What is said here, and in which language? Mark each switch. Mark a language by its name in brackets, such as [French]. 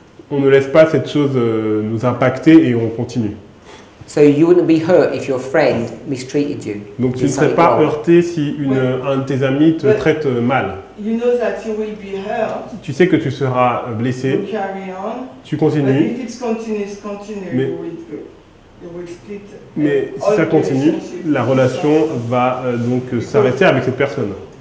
[French] on. On ne laisse pas cette chose nous impacter et on continue. [English] So you wouldn't be hurt if your friend mistreated you. [French] Donc tu ne serais pas heurté si un de tes amis te traite mal. [English] You know that you will be hurt. [French] Tu sais que tu seras blessé. [English] You carry on. [French] Tu continues. [English] But if it's continue. [French] Mais, mais si ça continue, la relation va donc s'arrêter avec cette personne.